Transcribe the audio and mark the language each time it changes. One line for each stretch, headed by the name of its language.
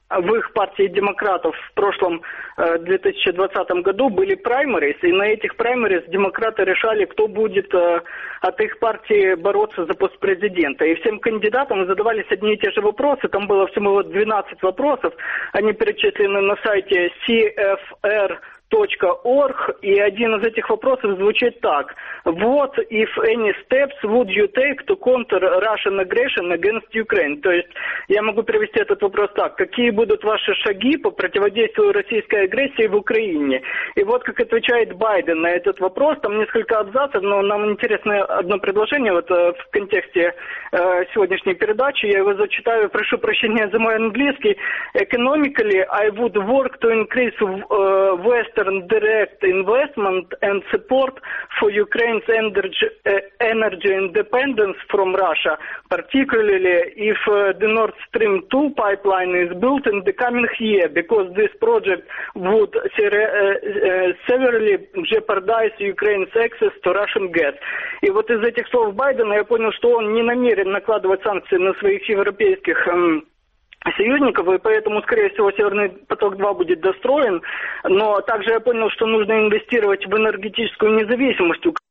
Russian: в их партии демократов в прошлом 2020 году были праймериз, и на этих праймериз демократы решали, кто будет от их партии бороться за пост президента. И всем кандидатам задавались одни и те же вопросы. Там было всего 12 вопросов. Они перечислены на сайте cfr.org, и один из этих вопросов звучит так:
English: «What if any steps would you take to counter Russian aggression against Ukraine?»
Russian: То есть я могу перевести этот вопрос так: «Какие будут ваши шаги по противодействию российской агрессии в Украине?» И вот как отвечает Байден на этот вопрос, там несколько абзацев, но нам интересно одно предложение вот в контексте сегодняшней передачи, я его зачитаю, прошу прощения за мой английский.
English: «Economically, I would work to increase West direct investment and support for Ukraine's energy independence from Russia, particularly if the Nord Stream 2 pipeline is built in the coming year, because this project would severely jeopardize Ukraine's access to Russian gas».
Russian: И вот из этих слов Байдена я понял, что он не намерен накладывать санкции на своих европейских союзников, и поэтому, скорее всего, «Северный поток-2» будет достроен. Но также я понял, что нужно инвестировать в энергетическую независимость.